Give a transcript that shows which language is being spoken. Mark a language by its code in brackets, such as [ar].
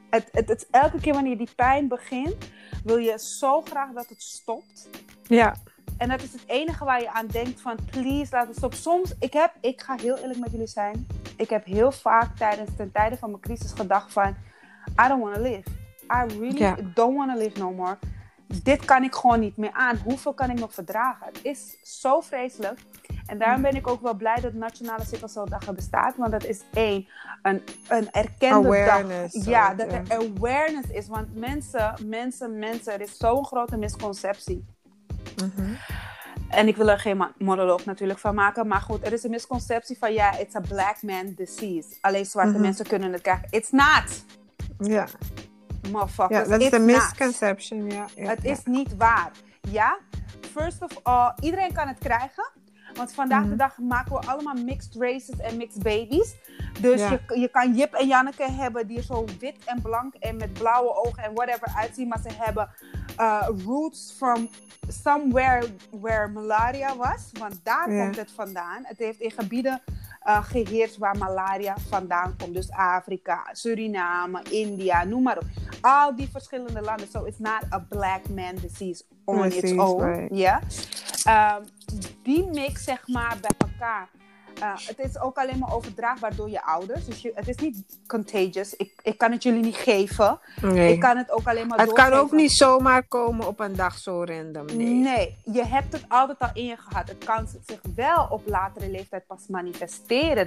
[nl] Het elke keer wanneer die pijn begint, wil je zo graag dat het stopt. Ja. En dat is het enige waar je aan denkt van, please, laat het stoppen. Soms, ik ga heel eerlijk met jullie zijn. Ik heb heel vaak ten tijde van mijn crisis gedacht van, [en] I don't want to live. I really don't want to live no more. [nl] Dit kan ik gewoon niet meer aan. Hoeveel kan ik nog verdragen? Het is zo vreselijk. En daarom ben ik ook wel blij dat Nationale Sickle Cell Dag bestaat. Want dat is een erkende [en] awareness [nl] dag. Ja, dat er awareness is. Want mensen, er is zo'n grote misconceptie. Mm-hmm. En ik wil er geen monoloog natuurlijk van maken. Maar goed, er is een misconceptie van, ja, [en] it's a black man disease. [nl] Alleen zwarte mensen kunnen het krijgen. [en] It's not! [nl] Ja. [en] Motherfuckers, yeah, that's it's the misconception, ja. Yeah. [nl] Het is niet waar. Ja, [en] first of all, [nl] iedereen kan het krijgen. Want vandaag de dag maken we allemaal mixed races en mixed babies. Dus je kan Jip en Janneke hebben die zo wit en blank en met blauwe ogen en whatever uitzien. Maar ze hebben [en] roots from somewhere where malaria was. [nl] Want daar komt het vandaan. Het heeft in gebieden geheerst waar malaria vandaan komt. Dus Afrika, Suriname, India, noem maar op. Al die verschillende landen. [en] So it's not a black man disease on its own. Right. Yeah. [nl] Die mix, zeg maar, bij elkaar. Het is ook alleen maar overdraagbaar door je ouders. Dus het is niet contagious. Ik kan het jullie niet geven. Nee. Ik kan het ook alleen maar doorgeven. Het kan ook niet zomaar komen op een dag zo random. Nee, je hebt het altijd al in je gehad. Het kan zich wel op latere leeftijd pas manifesteren.